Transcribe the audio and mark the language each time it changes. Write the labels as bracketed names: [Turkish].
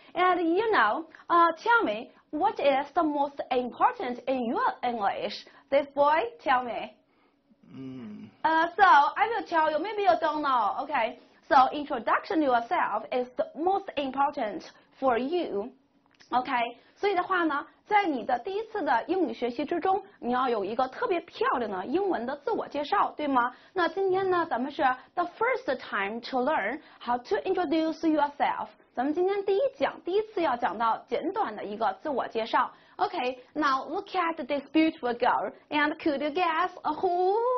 [English] And you know, tell me what is the most important in your English? This boy, tell me. So I will tell you. Maybe you don't know. Okay. So introduction yourself is the most important for you. Okay. [Chinese] 所以的话呢，在你的第一次的英语学习之中，你要有一个特别漂亮的英文的自我介绍，对吗？那今天呢，咱们是 [English] the first time to learn how to introduce yourself。 [Chinese] 咱们今天第一次要讲到简短的一个自我介绍。 [English] Okay, now look at this beautiful girl, and could you guess who?